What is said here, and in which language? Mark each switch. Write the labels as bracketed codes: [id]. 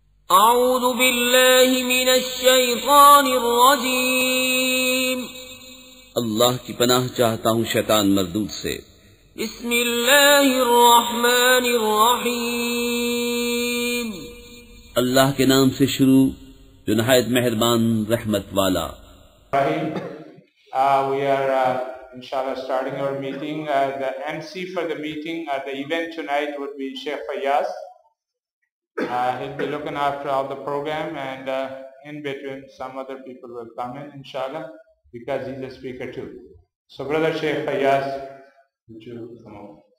[ar] أعوذ بالله من الشيطان الرجيم [ur] اللہ کی پناہ چاہتا ہوں شیطان مردود سے [ar] بسم اللہ الرحمن الرحیم [ur] اللہ کے نام سے شروع جو نہایت مہربان رحمت والا [en] رحیم we are inshallah starting our meeting the MC for the meeting at the event tonight would be Sheikh Fayaz he'll be looking after all the program and in between some other people will come in inshallah because he's a speaker too so brother Sheikh Fayaz would you come on